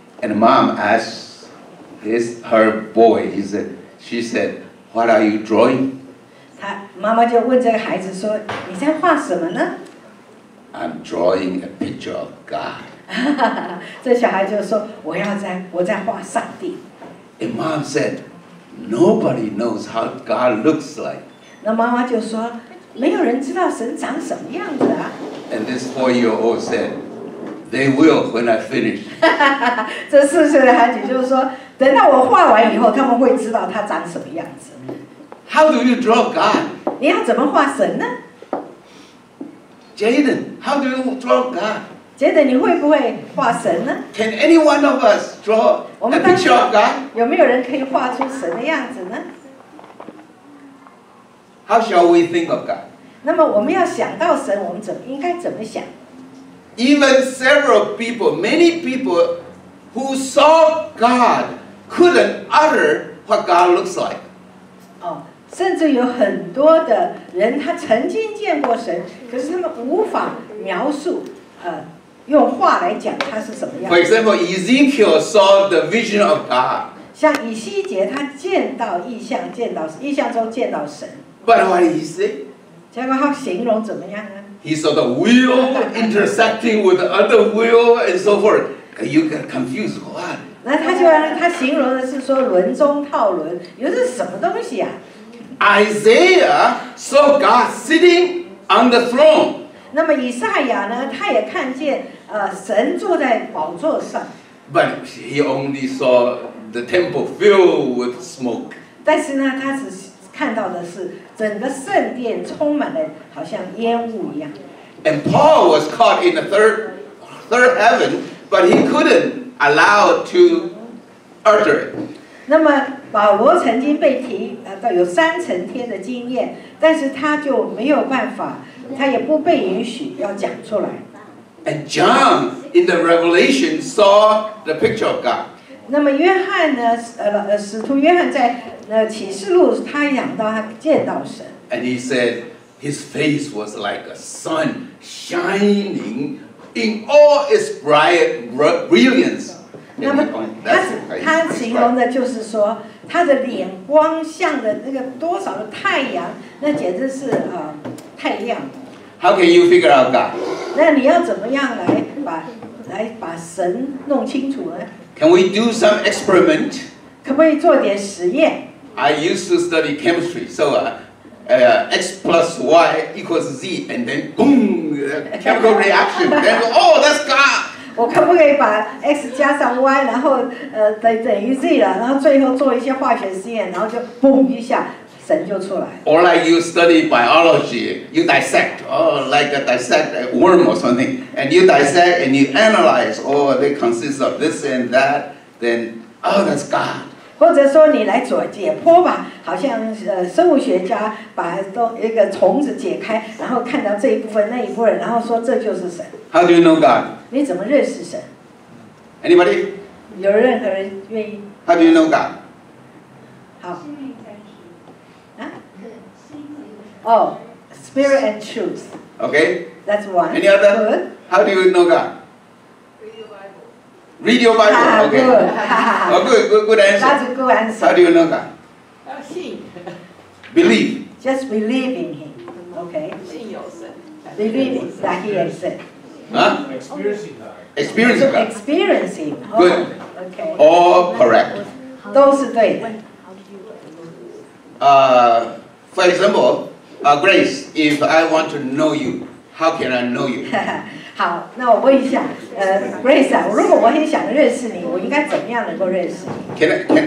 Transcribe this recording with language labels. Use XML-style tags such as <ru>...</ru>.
<en>And mom asked his her boy. She said, "What are you drawing?"</en> <zh>妈妈就问这个孩子说：“你在画什么呢？”</zh> <en>I'm drawing a picture of God.</en> <zh>这小孩就说：“我在画上帝。”</zh> <en>And mom said, "Nobody knows how God looks like."</en> <zh>那妈妈就说：“没有人知道神长什么样子啊。”</zh> <en>And this four-year-old said, "They will when I finish."</en> <zh>这四岁的孩子就说：“等到我画完以后，他们会知道他长什么样子。”</zh> <en>How do you draw God?</en> <zh>你要怎么画神呢</zh> <en>？Jaden, how do you draw God?</en> <zh>Jaden, 你会不会画神呢</zh> <en>？Can any one of us draw a picture of God?</en> <zh>有没有人可以画出神的样子呢</zh> <en>？How shall we think of God?</en> <zh>那么我们要想到神，我们应该怎么想</zh> <en>？Even several people, many people who saw God couldn't utter what God looks like.</en> <zh>甚至有很多的人，他曾经见过神，可是他们无法描述，用话来讲他是什么样子。</zh> <en>For example, Ezekiel saw the vision of God.</en> <zh>像以西结，他见到异象，见到异象中见到神。</zh> <en>But what did he say?</en> <zh>结果他形容怎么样呢</zh> <en>？He saw the wheel intersecting with the other wheel and so forth. You get confused. What?</en> <zh>那他形容的是说轮中套轮，又是什么东西啊？</zh> <en>Isaiah saw God sitting on the throne.</en> <zh>那么以赛亚呢？他也看见神坐在宝座上。</zh> <en>But he only saw the temple filled with smoke.</en> <zh>但是呢，他只看到的是整个圣殿充满了好像烟雾一样。</zh> <en>And Paul was caught in the third heaven, but he couldn't allow to utter it.</en> <zh>那么。保罗曾经被提到有三层天的经验，但是他就没有办法，他也不被允许要讲出来。</zh> <en>And John in the Revelation saw the picture of God.</en> <zh>那么约翰呢？使徒约翰在启示录，他讲到他见到神。</zh> <en>And he said his face was like a sun shining in all its bright brilliance.</en> <zh>那么他形容的就是说，他的脸光像的那个多少的太阳，那简直是太亮。</zh> <en>How can you figure out God?</en> <zh>那你要怎么样来把神弄清楚呢</zh> <en>？Can we do some experiment?</en> <zh>可不可以做点实验</zh> <en>？I used to study chemistry, so x plus y equals z, and then boom, chemical reaction. Then oh, that's God.</en> <zh>我可不可以把 x 加上 y， 然后等于 z 了，然后最后做一些化学实验，然后就嘣一下，神就出来。</zh> <en>Or like you study biology, you dissect, like a dissect a worm or something, and you dissect and you analyze, they consist of this and that, then that's God.</en> <zh>或者说你来做解剖吧，好像生物学家把一个虫子解开，然后看到这一部分那一部分，然后说这就是神。</zh> <en>How do you know God?</en> <zh>你怎么认识神</zh> <en>？Anybody？</en> <zh>有任何人愿意</zh> <en>？How do you know God？</en> <zh>好。心灵在</zh> <en>Spirit and truth. Okay. That's one. Any other? Good. How do you know God? Read your Bible. Read your Bible. Okay. Good. Oh, good answer. That's a good answer. How do you know God? See. Believe. Just believe in Him. Okay. Believing that He has said. Huh? Experiencing God. Experiencing God. Experiencing. Good. Okay. All correct. Those are great. For example, Grace, if I want to know you, how can I know you?</en> <zh>好，那我问一下，Grace 啊，如果我很想认识你，我应该怎么样能够认识你？</zh>